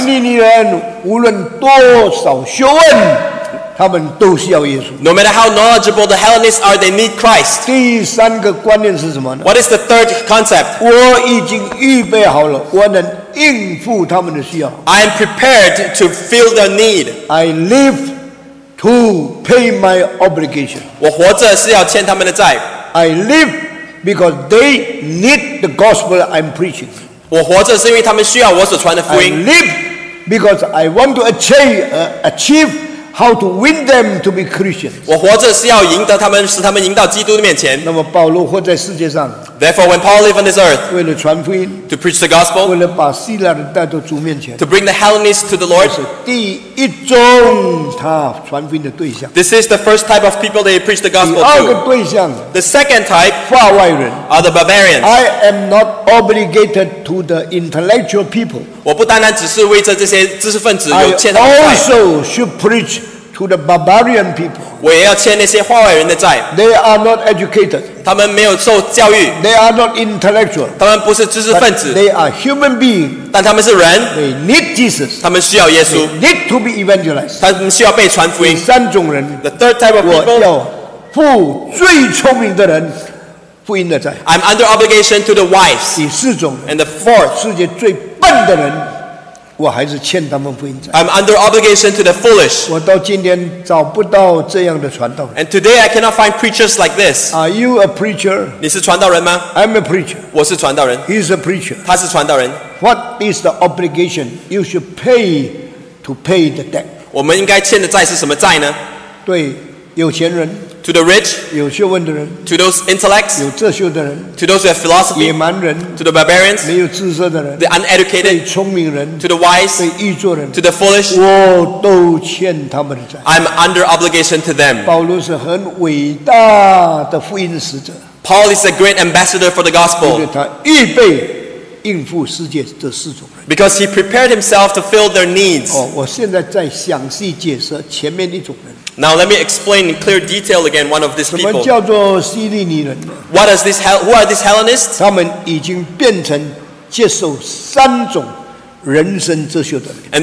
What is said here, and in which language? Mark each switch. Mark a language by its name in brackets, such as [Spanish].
[Chinese] 希利尼人无论多少学问, 他们都需要耶稣, [English] no matter how knowledgeable the Hellenists are, they need Christ. [Chinese] 第三个观念是什么呢? [English] What is the third concept? [Chinese] 我已经预备好了, [English] I am prepared to fill their need. I live to pay my obligation. [Chinese] 我活着是要欠他们的债。 [English] I live because they need the gospel I'm preaching. [Chinese] 我活着是因为他们需要我所传的福音。 [English] I live because I want to achieve how to win them to be Christians. [Chinese] 我活着是要赢得他们，使他们赢到基督的面前。那么保罗活在世界上。 [English] Therefore, when Paul lived on this earth, [Chinese] 为了传福音 [English] ，to preach the gospel, [Chinese] 为了把希腊人带到主面前 [English] ，to bring the Hellenists to the Lord, [Chinese] 是第一种他传福音的对象。 [English] This is the first type of people they preach the gospel to. [Chinese] 第二个对象 [English] ，the second type, [Chinese] 法外人 [English] are the barbarians. I am not obligated to the intellectual people. [Chinese] 我不单单只是为着这些知识分子有欠他们债。 [English] I also should preach. To the barbarian people, [Chinese] 我也要欠那些化外人的债。 [English] They are not educated. [Chinese] 他们没有受教育。 [English] They are not intellectual. [Chinese] 他们不是知识分子。 [English] They are human beings. [Chinese] 但他们是人。 [English] They need Jesus. [Chinese] 他们需要耶稣。 [English] They need to be evangelized. [Chinese] 他们需要被传福音。第三种人。 [English] The third type of people. [Chinese] 我要付最聪明的人福音的债。 [English] I'm under obligation to the wise. [Chinese] 第四种。 [English] And the fourth. [Chinese] 世界最笨的人。我还是欠他们福音债。 [English] I'm under obligation to the foolish. [Chinese] 我到今天找不到这样的传道人。 [English] And today I cannot find preachers like this. Are you a preacher? [Chinese] 你是传道人吗 [English] ？I'm a preacher. [Chinese] 我是传道人。 [English] He's a preacher. [Chinese] 他是传道人。 [English] What is the obligation you should pay to pay the debt? [Chinese] 我们应该欠的债是什么债呢？对有钱人。 [English] To the rich. [Chinese] 有学问的人。 [English] To those intellects. [Chinese] 有哲学的人。 [English] To those who have philosophy. [Chinese] 野蛮人。 [English] To the barbarians. [Chinese] 没有知识的人。 [English] The uneducated. [Chinese] 对聪明人。 [English] To the wise. [Chinese] 对愚拙人。 [English] To the foolish. [Chinese] 我都欠他们的债。 [English] I'm under obligation to them. [Chinese] 保罗是很伟大的福音使者。 [English] Paul is a great ambassador for the gospel. [Chinese] 因为他预备应付世界的四种人。 [English] Because he prepared himself to fill their needs. [Chinese] 我现在在详细解释前面一种人。 [English] Now let me explain in clear detail again one of these people. [Chinese] 什么叫做希利尼人？ [English] What is this? Who are these Hellenists? [Chinese] 他们已经变成接受三种人生哲学的人。